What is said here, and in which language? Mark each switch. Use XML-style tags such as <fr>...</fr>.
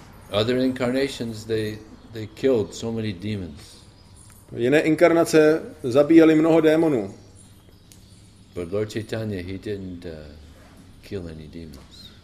<en>Other incarnations they killed so many demons.</en> <cs>Jiné inkarnace zabíjeli mnoho démonů.</cs> <en>But Lord Chaitanya he didn't kill any demons.</en>